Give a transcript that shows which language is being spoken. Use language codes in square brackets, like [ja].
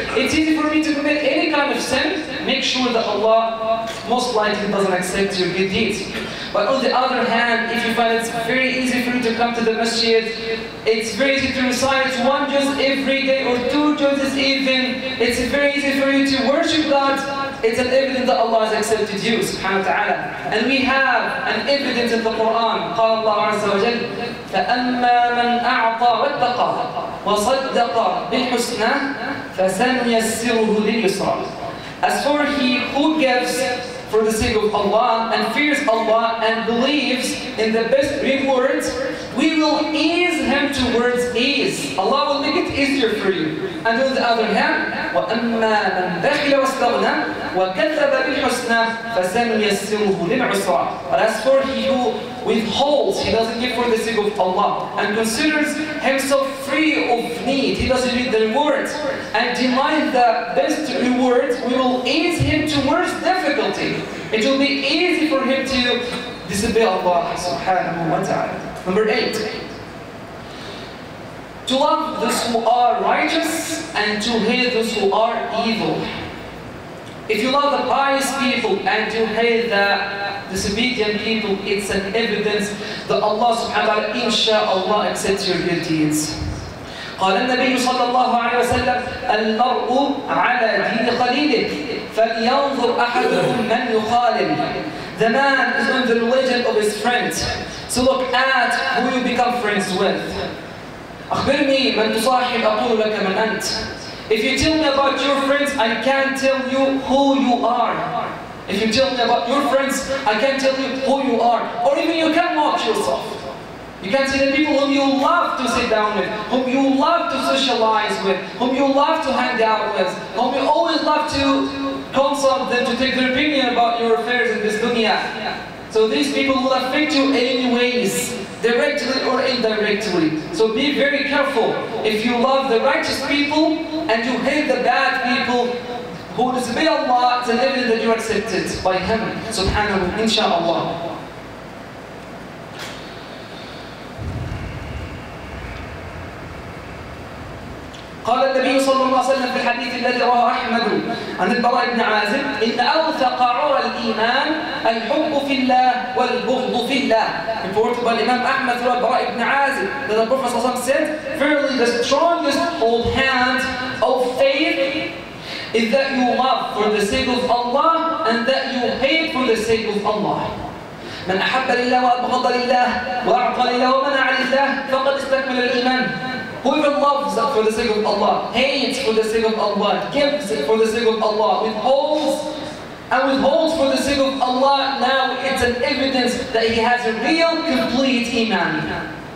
[en] It's easy for me to commit any kind of sin. Make sure that Allah most likely doesn't accept your good deeds. But on the other hand, if you find it's very easy for you to come to the masjid, it's very easy to recite one juz every day or two juz this evening, it's very easy for you to worship God, it's an evidence that Allah has accepted you, subhanahu wa ta'ala. And we have an evidence in the Quran, [ar] قال الله عز وجل فَأَمَّا مَنْ أَعْطَى وَاتَّقَى وَصَدَّقَى بِالْحُسْنَى فَسَنْيَسِّرُهُ لِلْيُسْرَى. [en] As for he who gives for the sake of Allah and fears Allah and believes in the best rewards, we will ease him towards ease. Allah will easier for you. And on the other hand, [ar] وَأَمَّا مَنْ دَخِلَ وَاسْتَغْنَى وَكَذَّبَ بِالْحُسْنَى فَسَنُيَسِّرُهُ لِلْعُسْرَى. [en] But as for he who withholds, he doesn't give for the sake of Allah, and considers himself free of need, he doesn't need the reward, and denies the best reward, we will ease him towards difficulty. It will be easy for him to disobey Allah subhanahu wa ta'ala. Number 8. To love those who are righteous and to hate those who are evil. If you love the pious people and you hate the disobedient people, it's an evidence that Allah subhanahu wa ta'ala, insha'Allah, accepts your good deeds. [ar] قال النبي صلى الله عليه وسلم المرء على دين خليله فلينظر أحدهم من يخالل. [en] The man is on the religion of his friends. So look at who you become friends with. [ar] أخبرني من تصاحب أقول لك من أنت. [en] If you tell me about your friends, I can't tell you who you are. If you tell me about your friends, I can't tell you who you are. Or even you can mock yourself. You can see the people whom you love to sit down with, whom you love to socialize with, whom you love to hang out with, whom you always love to consult them to take their opinion about your affairs in this dunya. So these people will affect you anyways, directly or indirectly. So be very careful. If you love the righteous people and you hate the bad people who disobey Allah, it's an evidence that you're accepted by Him, subhanahu, inshaAllah. [ar] قال النبي صلى الله عليه وسلم في الحديث الذي رواه أحمد عن البراء بن عازب إن أوثق عرى الإيمان الحب في الله والبغض في الله. [en] Reported by Imam Ahmad through البراء بن عازب that the Prophet صلى الله عليه وسلم said, verily the strongest of hand of faith is that you love for the sake of Allah and that you hate for the sake of Allah. [ar] من أحب لله وأبغض لله وأعطى لله ومنع لله فقد استكمل الإيمان. [en] Whoever loves for the sake of Allah, hates for the sake of Allah, gives for the sake of Allah, withholds for the sake of Allah, now it's an evidence that he has a real, complete iman.